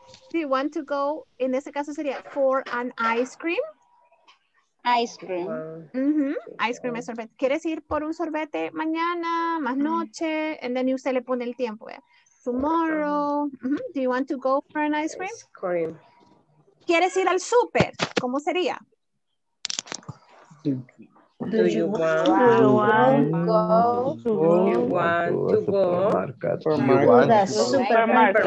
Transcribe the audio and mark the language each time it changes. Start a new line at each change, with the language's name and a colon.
English: Do you want to go, in this case,
Spanish: sería
English: for an ice cream? Ice cream.
Spanish: Mm-hmm. Ice cream es sorbete. ¿Quieres ir por un sorbete mañana, más noche?
English: And then
Spanish: usted le pone el tiempo. ¿Eh? Tomorrow. Mm-hmm.
English: Do you want to go for an ice cream?
Spanish: ¿Quieres ir al súper? ¿Cómo sería?
English: Do you want to go to the supermarket?